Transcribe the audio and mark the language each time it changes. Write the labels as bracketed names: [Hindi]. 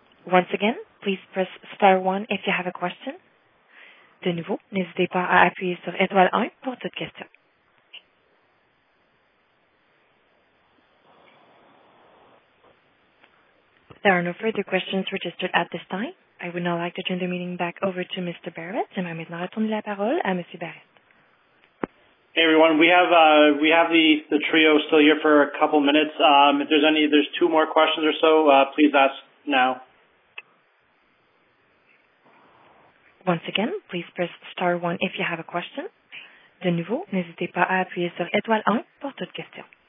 [English] Once again, please press star 1 if you have a question. [French] De nouveau, n'hésitez pas à appuyer sur étoile 1 pour toute question. [English] There are no further questions registered at this time. I would now like to turn the meeting back over to Mr. Barrett. [French] Je vais maintenant retourner la parole à Monsieur Barrett. [English] Hey everyone, we have the trio still here for a couple minutes. If there's any, there's two more questions or so, please ask now. Once again, please press star 1 if you have a question. [French] De nouveau, n'hésitez pas à appuyer sur étoile 1 pour toute question.